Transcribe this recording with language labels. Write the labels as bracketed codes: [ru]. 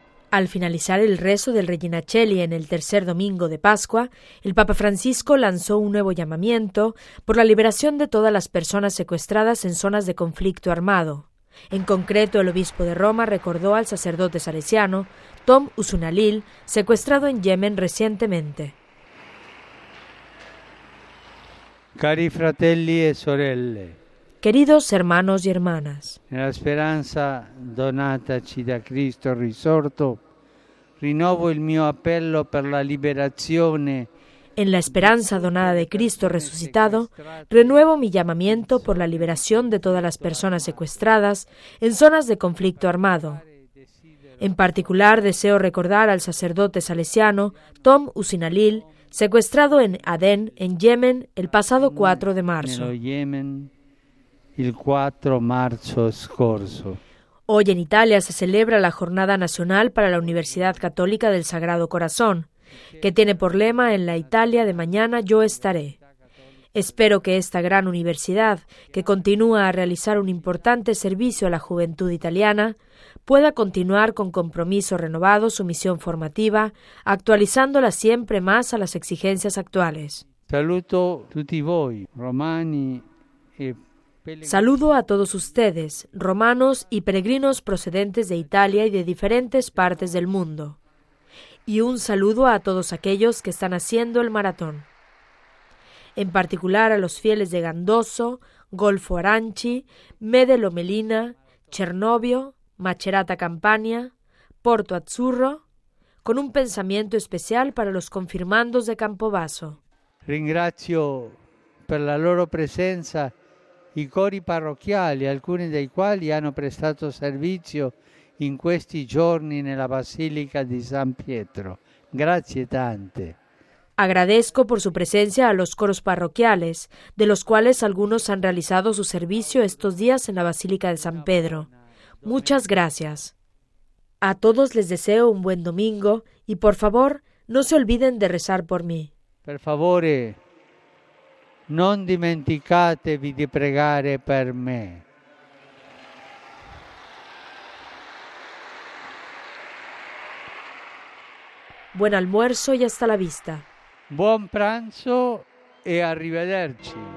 [es] Al finalizar el rezo del Regina Caeli en el tercer domingo de Pascua, el Papa Francisco lanzó un nuevo llamamiento por la liberación de todas las personas secuestradas en zonas de conflicto armado. En concreto, el obispo de Roma recordó al sacerdote salesiano Tom Usunalil, secuestrado en Yemen recientemente. [it] Cari fratelli e sorelle, [es] queridos hermanos y hermanas, [it] nella speranza donataci da Cristo risorto, rinnovo il mio appello per la liberazione. [es] En la esperanza donada de Cristo resucitado, renuevo mi llamamiento por la liberación de todas las personas secuestradas en zonas de conflicto armado. En particular, deseo recordar al sacerdote salesiano Tom Usunalil, secuestrado en Adén, en Yemen, el pasado 4 de marzo. El 4 de marzo scorso. Hoy en Italia se celebra la Jornada Nacional para la Universidad Católica del Sagrado Corazón, que tiene por lema «En la Italia de mañana yo estaré». Espero que esta gran universidad, que continúa a realizar un importante servicio a la juventud italiana, pueda continuar con compromiso renovado su misión formativa, actualizándola siempre más a las exigencias actuales. [it] Saluto tutti voi, romani e [es] Saludo a todos ustedes, romanos y peregrinos procedentes de Italia y de diferentes partes del mundo. Y un saludo a todos aquellos que están haciendo el maratón. En particular a los fieles de Gandoso, Golfo Aranci, Medel Omelina, Cernobbio, Macerata Campania, Porto Azzurro, con un pensamiento especial para los confirmandos de Campobasso. [it] Ringrazio per la loro presenza i cori parrocchiali, alcuni dei quali hanno prestato servizio in questi giorni nella Basilica di San Pietro. Grazie tante. [es] Agradezco por su presencia a los coros parroquiales, de los cuales algunos han realizado su servicio estos días en la Basílica de San Pedro. Muchas gracias. A todos les deseo un buen domingo y, por favor, no se olviden de rezar por mí. [it] Per favore, non dimenticatevi di pregare per me. [es] Buen almuerzo y hasta la vista. [it] Buon pranzo e arrivederci.